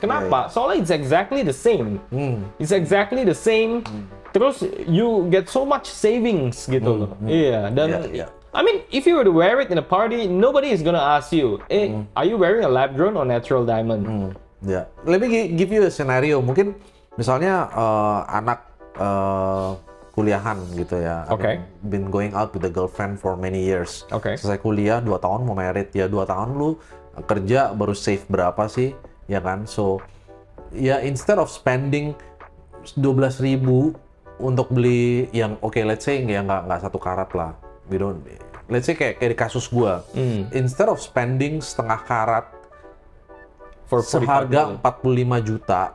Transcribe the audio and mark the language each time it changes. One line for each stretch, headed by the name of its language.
Indonesian: Kenapa? Soalnya
English: it's exactly the same. It's exactly the same. Terus you get so much savings
Indonesian: gitu loh.
English: I mean, if you were to wear it in a party, nobody is gonna ask you, are you wearing a lab grown or natural diamond? Let me give you a scenario.
Indonesian: Mungkin misalnya anak kuliahan gitu ya.
English: Okay. Been going out with a girlfriend for many years. Okay.
Indonesian: Selesai kuliah 2 tahun mau married. Ya 2 tahun lu kerja baru save berapa sih? Ya kan? So ya
English: instead of spending
Indonesian: 12.000 untuk beli yang let's say ya enggak 1 karat lah. We don't. Let's say kayak di kasus gua.
English: Instead of spending
Indonesian: setengah karat seharga 45 juta,